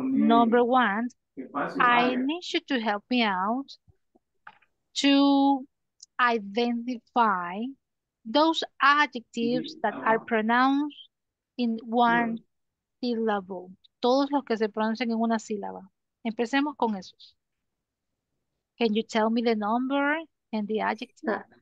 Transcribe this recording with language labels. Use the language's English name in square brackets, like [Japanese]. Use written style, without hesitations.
[English] Number one, I need you to help me out to identify those adjectives that are pronounced in one syllable. [Spanish] Todos los que se pronuncian en una sílaba. Empecemos con esos. [English] Can you tell me the number and the adjective?